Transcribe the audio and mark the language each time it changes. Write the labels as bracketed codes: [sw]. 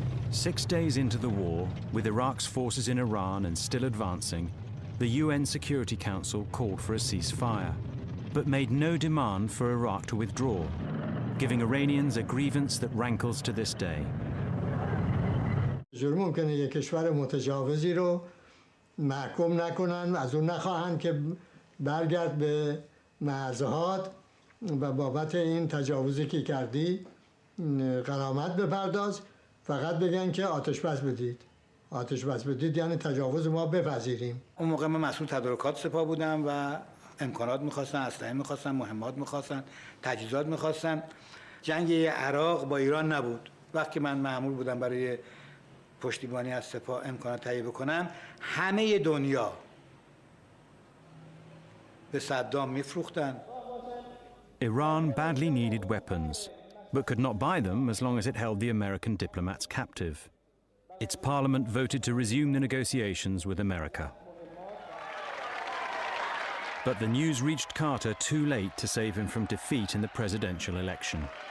[en] 6 days into the war, with Iraq's forces in Iran and still advancing, the UN Security Council called for a ceasefire, but made no demand for Iraq to withdraw, giving Iranians a grievance that rankles to this day. [fa] جرم ممکنه یک کشور متجاوزی رو محکوم نکنن، از اون نخواهن که برگرد به معزهات و بابت این تجاوزی که کردی غرامت بپرداز، فقط بگن که آتش بس بدید. آتش بس بدید یعنی تجاوز ما بپذیریم. اون موقع من مسئول تدارکات سپاه بودم و امکانات میخواستن، اسلحه میخواستن، مهمات میخواستن، تجهیزات میخواستن. جنگ عراق با ایران نبود. وقتی من مأمور بودم برای پشتیبانی از سپاه امکانات تهیه بکنم، همه دنیا به صدام میفروختن. [en] Iran badly needed weapons, but could not buy them as long as it held the American diplomats captive. Its parliament voted to resume the negotiations with America. But the news reached Carter too late to save him from defeat in the presidential election.